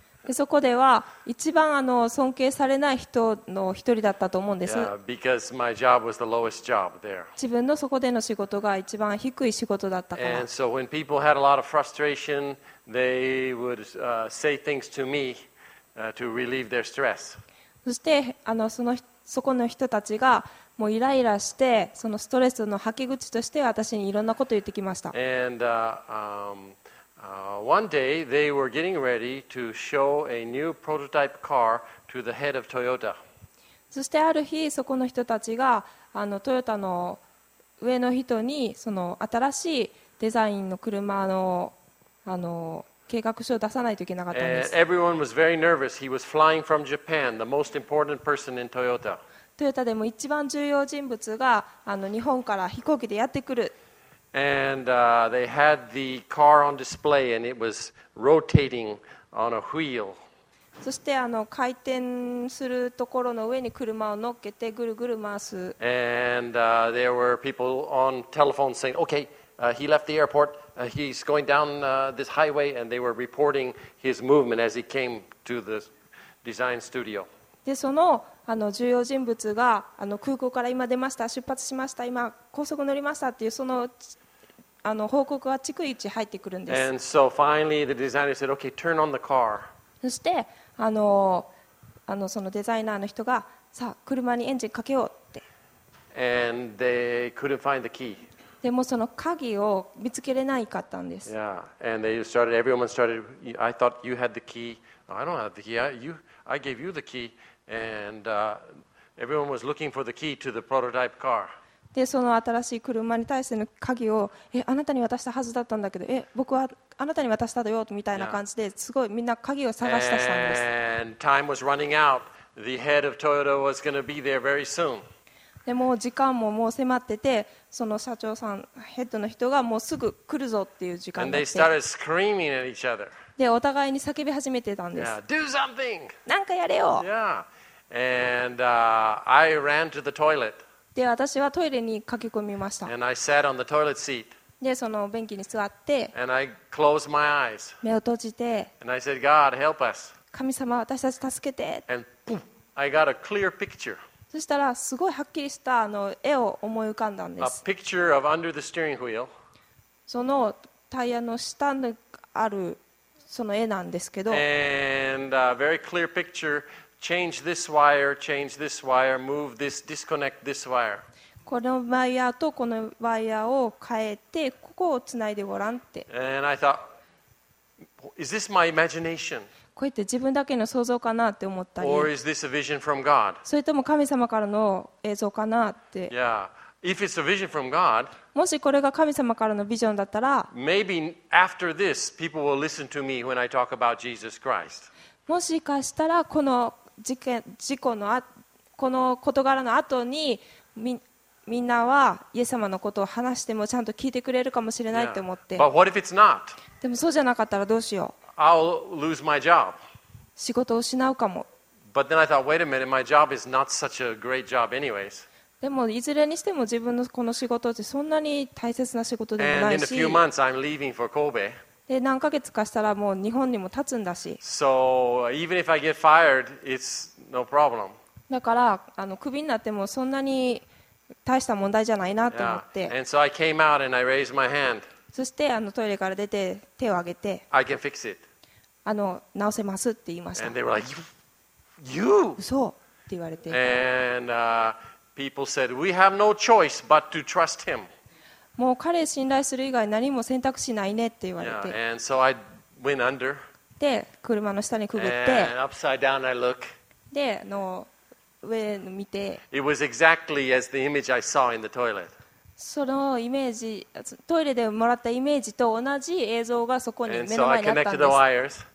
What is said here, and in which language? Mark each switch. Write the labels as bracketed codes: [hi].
[ja] でそこでは一番尊敬されない人の一人だったと思うんです [en] yeah, because my job was the lowest job there. [ja] 自分のそこでの仕事が一番低い仕事だったから [en] And so when people had a lot of frustrationThey would say things to me to relieve their stress. [ja] そしてそこの人たちがもうイライラしてそのストレスの吐き口として私にいろんなことを言ってきました。 [en] And one day they were getting ready to show a new prototype car to the head of Toyota. [ja] そしてある日そこの人たちがトヨタの上の人にその新しいデザインの車の計画書を出さないといけなかったんです。 [en] Everyone was very nervous. He was flying from Japan, the most important person in Toyota. [ja] トヨタでも一番重要人物が日本から飛行機でやってくる。 [en] And they had the car on display, and it was rotating on a wheel. [ja] そして回転するところの上に車を乗っけてぐるぐる回す。 [en] And there were people on telephone saying, "Okay, he left the airport." He's going down this highway, and they were reporting his movement as he came to the design studio. [ja] で、その重要人物が空港から今出ました、出発しました、今高速乗りましたっていうその報告が逐一入ってくるんです。 [en] And so finally, the designer said, "Okay, turn on the car." [ja] そしてそのデザイナーの人がさあ、車にエンジンかけようって。 [en] And they couldn't find the key. [ja] でもその鍵を見つけれないかったんです。 [en] Yeah, and they started. Everyone started. I thought you had the key. I don't have the key. I gave you the key. And everyone was looking for the key to the prototype car. [ja] でその新しい車に対しての鍵をあなたに渡したはずだったんだけど、僕はあなたに渡したよみたいな感じで、yeah. すごいみんな鍵を探し出したんです。 [en] And time was running out. The head of Toyota was going to be there very soon. [ja] でもう時間ももう迫っててその社長さんヘッドの人がもうすぐ来るぞっていう時間になって [en] And they started screaming at each other. [ja] でお互いに叫び始めてたんです [en] Yeah, do something! [ja] なんかやれよ [en] Yeah, and I ran to the toilet. [ja] で私はトイレに駆け込みました [en] And I sat on the toilet seat. [ja] でその便器に座って [en] And I closed my eyes. [ja] 目を閉じて [en] And I said, God, help us. [ja] 神様私たち助けて [en] And boom, I got a clear picture. [ja] そしたらすごいはっきりした絵を思い浮かんだんです。 [en] A picture of under the steering wheel. [ja] そのタイヤの下にあるその絵なんですけど。 [en] And a very clear picture. Change this wire, change this wire, move this, disconnect this wire. [ja] このワイヤーとこのワイヤーを変えてここをつないでごらんって。 [en] And I thought, is this my imagination? [ja] こうやって自分だけの想像かなって思ったり [en] Or is this a vision from God? [ja] それとも神様からの映像かなって [en] yeah. If it's a vision from God, [ja] もしこれが神様からのビジョンだったら [en] Maybe after this, people will listen to me when I talk about Jesus Christ. [ja] もしかしたらこの事故のこの事柄の後にみんなはイエス様のことを話してもちゃんと聞いてくれるかもしれないって思って、 [en] yeah. But what if it's not? [ja] でもそうじゃなかったらどうしよう [en] I'll lose my job. [ja] 仕事を失うかも。 [en] But then I thought, wait a minute, my job is not such a great job, anyways. [ja] でもいずれにしても自分のこの仕事ってそんなに大切な仕事でもないし。 [en] And in a few months, I'm leaving for Kobe. [ja] で何ヶ月かしたらもう日本にも立つんだし。 [en] So even if I get fired, it's no problem. [ja] だからクビになってもそんなに大した問題じゃないなと思って。 [en] Yeah. And so I came out and I raised my hand. [ja] そしてあのトイレから出て手を挙げて [en] I can fix it. [ja] あの直せますって言いました。 [en] And they were like, you. [ja] 嘘って言われて。 [en] And, people said, we have no choice but to trust him. [ja] もう彼を信頼する以外何も選択しないねって言われて。 [en] Yeah, and so I went under. [ja] で車の下にくぐって。 [en] And upside down I look. [ja] で、あの上を見て。 [en] It was exactly as the image I saw in the toilet. [ja] そのイメージ、トイレでもらったイメージと同じ映像がそこに目の前にあったんです。